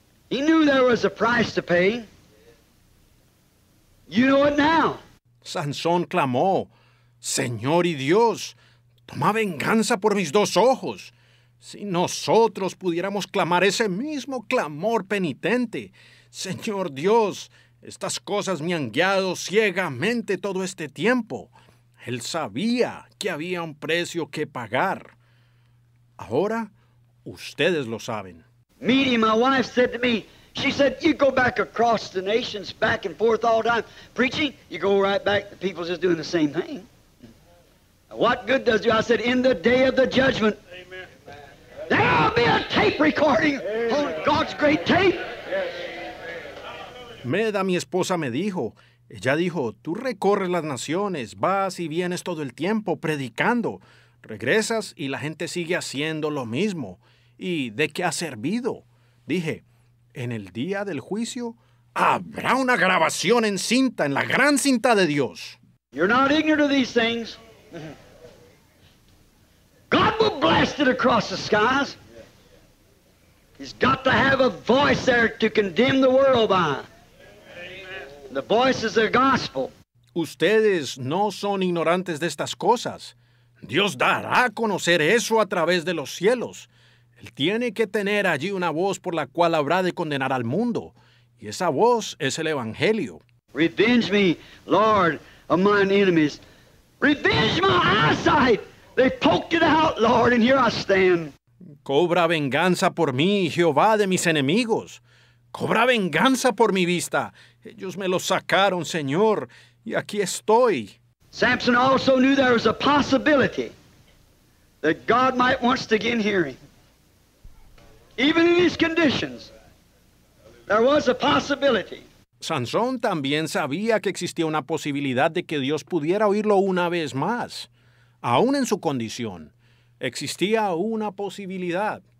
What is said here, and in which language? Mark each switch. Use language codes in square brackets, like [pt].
[en] He knew there was a price to pay. You know it now. [es] Sansón clamó, Señor y Dios, toma venganza por mis dos ojos. Si nosotros pudiéramos clamar ese mismo clamor penitente, Señor Dios, estas cosas me han guiado ciegamente todo este tiempo. Él sabía que había un precio que pagar. Ahora, ustedes lo saben. [en] Meeting my wife said to me, she said, you go back across the nations, back and forth all the time, preaching, you go right back, the people's just doing the same thing. What good does you? I said, in the day of the judgment, amen, there'll be a tape recording, amen, on God's great tape. [es] Meda, mi esposa, me dijo. Ella dijo, tú recorres las naciones, vas y vienes todo el tiempo predicando. Regresas y la gente sigue haciendo lo mismo. ¿Y de qué ha servido? Dije, en el día del juicio, habrá una grabación en cinta, en la gran cinta de Dios. [en] You're not ignorant of these things. God will blast it across the skies. He's got to have a voice there to condemn the world by. The voice is the gospel. [es] Ustedes no son ignorantes de estas cosas. Dios dará a conocer eso a través de los cielos. Él tiene que tener allí una voz por la cual habrá de condenar al mundo. Y esa voz es el Evangelio. [en] Revenge me, Lord, of mine enemies. Revenge my eyesight. They poked it out, Lord, and here I stand. [es] Cobra venganza por mí, Jehová de mis enemigos. Cobra venganza por mi vista. Ellos me lo sacaron, Señor, y aquí estoy. [en] Samson also knew there was a possibility that God might once again hear him. Even in these conditions, there was a possibility. [es] Sansón también sabía que existía una posibilidad de que Dios pudiera oírlo una vez más. Aún en su condición, existía una posibilidad.